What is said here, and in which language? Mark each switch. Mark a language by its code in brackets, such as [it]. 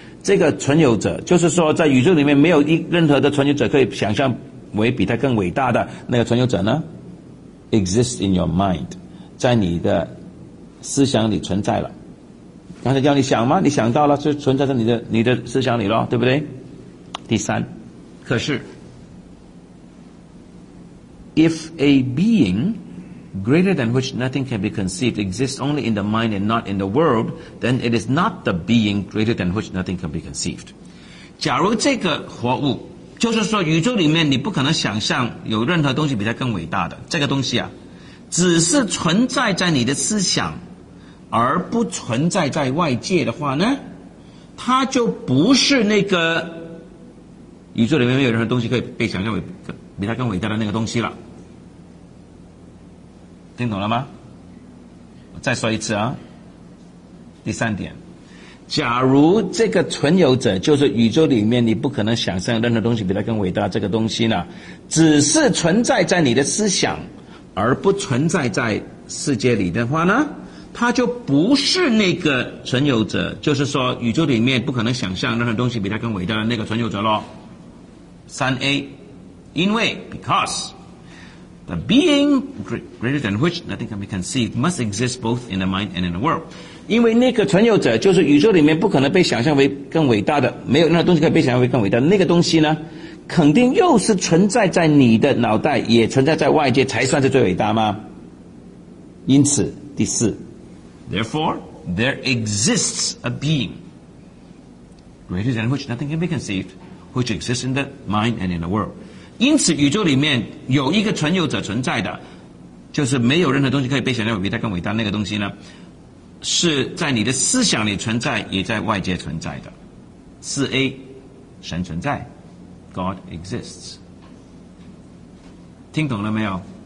[zh] 这个存有者就是说在宇宙里面没有任何的存有者可以想象为比他更伟大的那个存有者呢 [en] exist in your mind， [zh] 在你的思想里存在了，刚才叫你想吗，你想到了就存在在你的思想里咯，对不对？第三，可是 [en] if a being greater than which nothing can be conceived exists only in the mind and not in the world, then it is not the being greater than which nothing can be conceived. [zh] 假如这个活物，就是说宇宙里面你不可能想象有任何东西比它更伟大的，这个东西啊，只是存在在你的思想，而不存在在外界的话呢，它就不是那个宇宙里面没有任何东西可以被想象为比它更伟大的那个东西了。听懂了吗？我再说一次啊。第三点，假如这个存有者就是宇宙里面你不可能想象任何东西比它更伟大，这个东西呢，只是存在在你的思想，而不存在在世界里的话呢，它就不是那个存有者，就是说宇宙里面不可能想象任何东西比它更伟大的那个存有者咯。三 A， 因为 [en] because。 The being greater than which nothing can be conceived must exist both in the mind and in the world. [zh] 因为那个存有者就是宇宙里面不可能被想象为更伟大的，没有任何东西可以被想象为更伟大的，那个东西呢，肯定又是存在在你的脑袋，也存在在外界，才算是最伟大吗？因此，第四 [en] ，Therefore, there exists a being greater than which nothing can be conceived, which exists in the mind and in the world. [zh] 因此宇宙里面有一个存有者存在的，就是没有任何东西可以被想象为比它更伟大，那个东西呢是在你的思想里存在，也在外界存在的。四 A， 神存在 [en] God exists。 [zh] 听懂了没有？